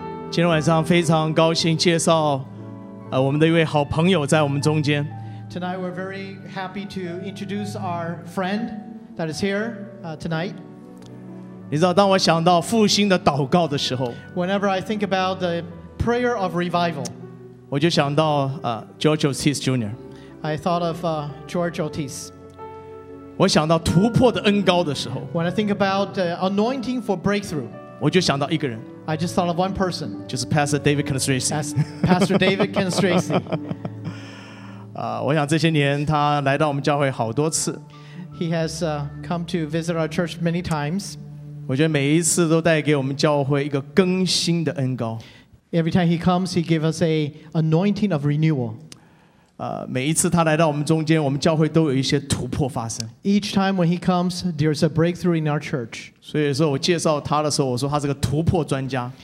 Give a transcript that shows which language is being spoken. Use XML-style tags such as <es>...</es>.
<zh>今天晚上非常高兴介绍我们的一位好朋友在我们中间。</zh> <en>Tonight we're very happy to introduce our friend that is here tonight.</en> <zh>你知道当我想到复兴的祷告的时候，</zh> <en>Whenever I think about the prayer of revival,</en> <zh>我就想到George Otis Jr.</zh> <en>I thought of George Otis.</en> <zh>我想到突破的恩膏的时候，</zh> <en>When I think about the anointing for breakthrough,</en> <zh>我就想到一个人。</zh> <en>I just thought of one person. Just Pastor David Canastracy. Pastor David Canastracy.</en> <zh>我想这些年他来到我们教会好多次。</zh> <en>He has come to visit our church many times.</en> <zh>我觉得每一次都带给我们教会一个更新的恩膏。</zh> <en>Every time he comes, he gives us an anointing of renewal.</en> <zh>每一次他来到我们中间，我们教会都有一些突破发生。</zh> <en>Each time when he comes, there's a breakthrough in our church.</en> <zh>所以说我介绍他的时候，我说他是个突破专家。</zh>